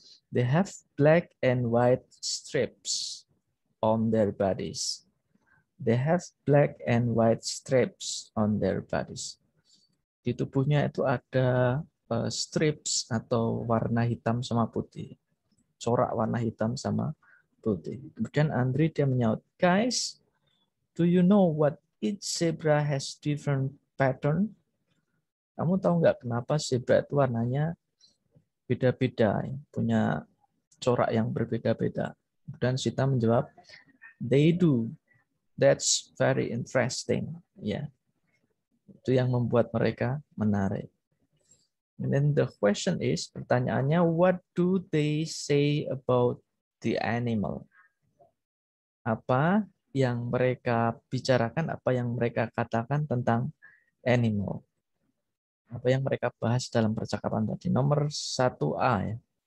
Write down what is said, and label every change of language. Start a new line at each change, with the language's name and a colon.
English: They have black and white stripes on their bodies. They have black and white stripes on their bodies.
Indonesian: Di tubuhnya itu ada stripes atau warna hitam sama putih. Corak warna hitam sama putih. Kemudian Andri dia menyaut,
English: "Guys, do you know what each zebra has different pattern?"
Indonesian: Kamu tahu nggak kenapa zebra itu warnanya beda-beda, punya corak yang berbeda-beda? Kemudian Sita menjawab,
English: "They do. That's very interesting." Ya. Yeah.
Indonesian: Itu yang membuat mereka menarik.
English: And then the question is,
Indonesian: pertanyaannya,
English: what do they say about the animal?
Indonesian: Apa yang mereka bicarakan, apa yang mereka katakan tentang animal? Apa yang mereka bahas dalam percakapan tadi? Nomor 1A ya.